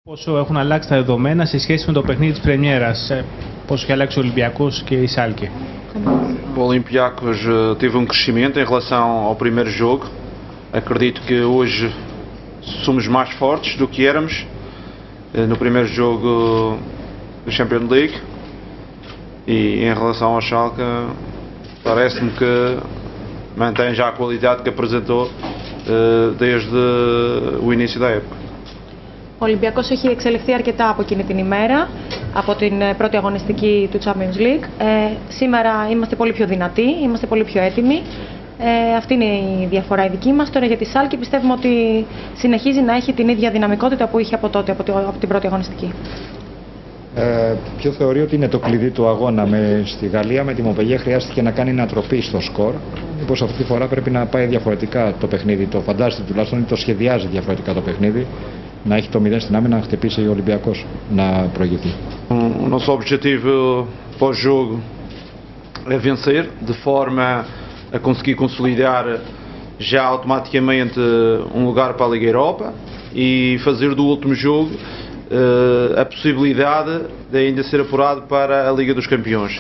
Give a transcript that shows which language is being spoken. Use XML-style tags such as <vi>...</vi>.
<el>Πόσο έχουν αλλάξει τα δεδομένα σε σχέση με το παιχνίδι της πρεμιέρας, πόσο έχει αλλάξει ο Ολυμπιακός και η Σάλκη?</el> <pt>O Olympiacos teve crescimento em relação ao primeiro jogo. Acredito que hoje somos mais fortes do que éramos no primeiro jogo da Champions League. E em relação ao Schalke, parece-me que mantém já a qualidade que apresentou desde o início da época.</pt> <el>Ο Ολυμπιακός έχει εξελιχθεί αρκετά από εκείνη την ημέρα, από την πρώτη αγωνιστική του Champions League. Σήμερα είμαστε πολύ πιο δυνατοί, είμαστε πολύ πιο έτοιμοι. Αυτή είναι η διαφορά η δική μας. Τώρα για τη Σάλκη πιστεύουμε ότι συνεχίζει να έχει την ίδια δυναμικότητα που είχε από τότε, από την πρώτη αγωνιστική. Ποιο θεωρεί ότι είναι το κλειδί του αγώνα? Στη Γαλλία με τη Μοπελιέ χρειάστηκε να κάνει ανατροπή στο σκορ. Μήπως αυτή τη φορά πρέπει να πάει διαφορετικά το παιχνίδι, το φαντάζεται τουλάχιστον, ή το σχεδιάζει διαφορετικά το παιχνίδι? Να έχει το 0 στην άμυνα, να χτυπήσει ο Ολυμπιακός, να προηγηθεί.</el> <pt>O nosso objetivo pós-jogo é vencer, de forma a conseguir consolidar já automaticamente um lugar para a Liga Europa e fazer do último jogo a possibilidade de ainda ser apurado para a Liga dos Campeões.</pt>